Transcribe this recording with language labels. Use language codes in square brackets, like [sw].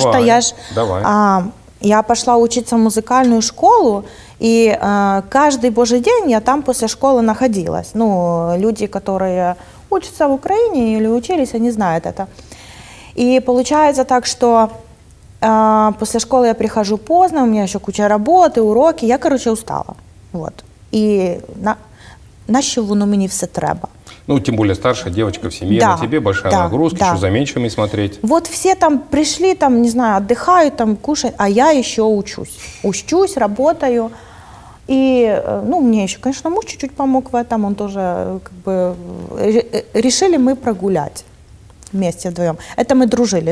[ru] что я ж, я пошла учиться в музыкальную школу, и каждый божий день я там после школы находилась. Ну, люди, которые учатся в Украине или учились, они знают это. И получается так, что после школы я прихожу поздно, у меня еще куча работы, уроки, я, короче, устала. Вот. [uk] И на що воно мені все треба? [ru] Ну, тем более старшая девочка в семье, да, на тебе большая, да, нагрузка, да, еще за меньшими смотреть. Вот все там пришли, там, не знаю, отдыхают, там, кушают, а я еще учусь, работаю. И, ну, мне еще, конечно, муж чуть-чуть помог в этом, он тоже, как бы, решили мы прогулять вместе вдвоем. Это мы дружили.